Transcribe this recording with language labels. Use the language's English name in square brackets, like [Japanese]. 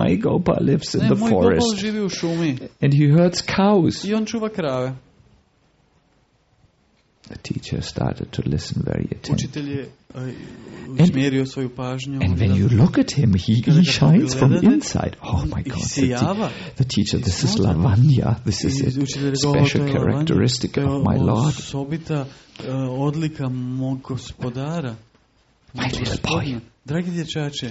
[English] My Gopal lives in the forest. [Croatian] Moj Gopal živi u šumi. [English] And he herds cows. [Croatian] I on čuva krave. [English] The teacher started to listen very attentively. [Croatian] Učitelj je usmjerio svoju pažnju. [English] And when you look at him, he shines from inside. Oh my God. The teacher, this is Lavanya. This is it. Special characteristic of my Lord. [Croatian] Osobita odlika mog gospodara. [English] My little boy. [Croatian] Dragi dječače.